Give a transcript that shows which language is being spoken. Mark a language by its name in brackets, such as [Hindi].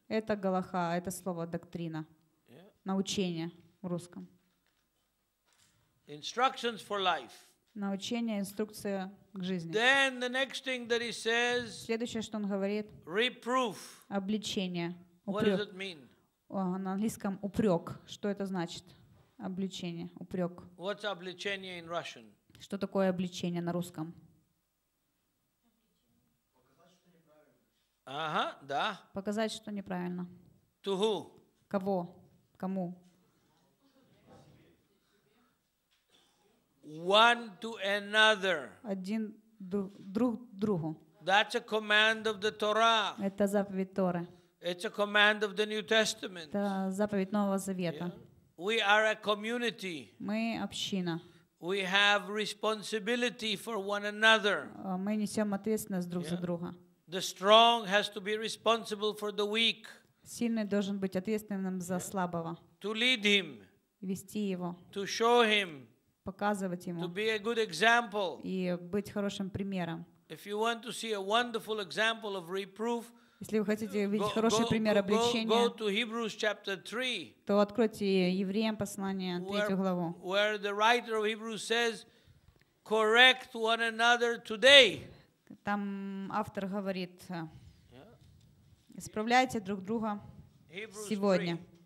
[Russian] Это галаха, это слово доктрина. [English] Yeah. [Russian] Научение в русском. [English] Instructions for life. [Russian] Научение, инструкция к жизни. [English] Then the next thing that he says, [Russian] следующее, что он говорит, [English] reproof. [Russian] Обличение. Упрек. What does it mean? На английском упрек. Что это значит? Обличение, упрек. [English] What's обличение in Russian? [Russian] Что такое обличение на русском? Показать, что неправильно. Ага, да. Показать, что неправильно. [English] To who? [Russian] Кого? Кому? [English] One to another. [Russian] Один друг другу. [English] That's a command of the Torah. [Russian] Это заповедь Торы. [English] It's a command of the New Testament. [Russian] Это заповедь Нового Завета. [English] Yeah. We are a community. [Russian] Мы община. [English] We have responsibility for one another. [Russian] Мы несем ответственность друг за друга. [English] The strong has to be responsible for the weak. [Russian] Сильный должен быть ответственным за слабого. [English] To lead him. [Russian] Вести его. [English] To show him. [Russian] Показывать ему [English] to be a good example. [Russian] И быть хорошим примером. [English] If you want to see a wonderful example of reproof, [Russian] если вы хотите увидеть хороший пример обличения, [English] go to Hebrews chapter 3, [Russian] то откройте Евреям послание, третью главу, [English] where the writer of Hebrews says, correct one another today. [Russian] Там автор говорит, исправляйте друг друга сегодня.